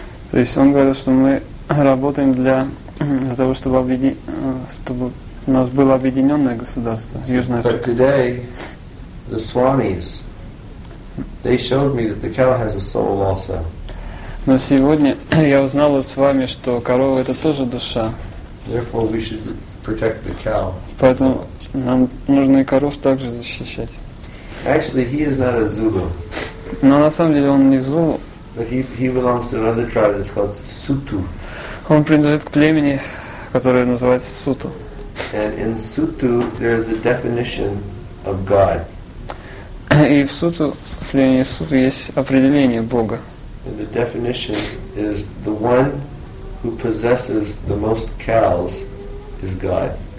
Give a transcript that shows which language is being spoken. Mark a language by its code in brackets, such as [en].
[ru] То есть он говорил, что мы работаем для того, чтобы у нас было объединенное государство, Южная Африка. [en] But today, the Swamis, they showed me that the cow has a soul also. [ru] Но сегодня я узнал от Свами, что корова это тоже душа. [en] Therefore, we should protect the cow. [ru] Поэтому нам нужно и коров также защищать. [en] Actually, he is not a Zulu. [ru] Но на самом деле он не Зулу. [en] But he belongs to another tribe that's called Sotho. [ru] Он принадлежит к племени, которое называется Sotho. [en] And in Sotho, there is a definition of God. [ru] И в Sotho, в племени Sotho, есть определение Бога. [en] And the definition is the one who possesses the most cows is God.